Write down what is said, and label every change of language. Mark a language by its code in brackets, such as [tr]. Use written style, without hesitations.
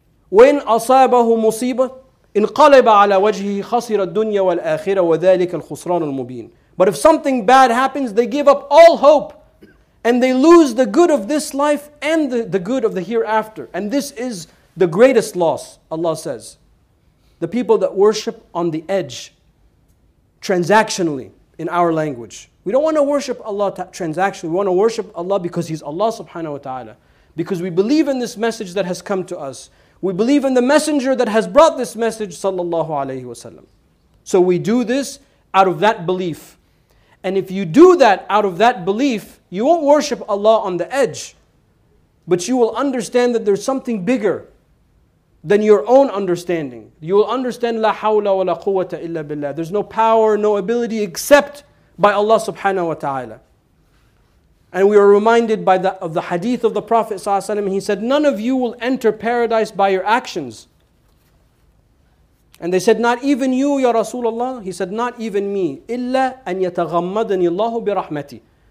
[ar] وَإِنْ أَصَابَهُ مُصِيبَةٌ. انقلب على وجهه خسر الدنيا والآخرة وذلك الخسران المبين. [en] But if something bad happens, they give up all hope and they lose the good of this life and the good of the hereafter. And this is the greatest loss, Allah says. The people that worship on the edge, transactionally, in our language. We don't want to worship Allah transactionally. We want to worship Allah because He's Allah subhanahu wa ta'ala. Because we believe in this message that has come to us. We believe in the messenger that has brought this message, sallallahu alayhi wa sallam. So we do this out of that belief. And if you do that out of that belief, you won't worship Allah on the edge. But you will understand that there's something bigger than your own understanding. You will understand, [ar] لا حول ولا قوة إلا بالله. [en] There's no power, no ability except by Allah subhanahu wa ta'ala. And we are reminded by the hadith of the Prophet sallallahu alaihi wasallam. He said, none of you will enter paradise by your actions. And they said, not even you, Ya Rasulullah. He said, not even me. [ar] إِلَّا أَن يَتَغَمَّدَنِ اللَّهُ بِرَحْمَتِي.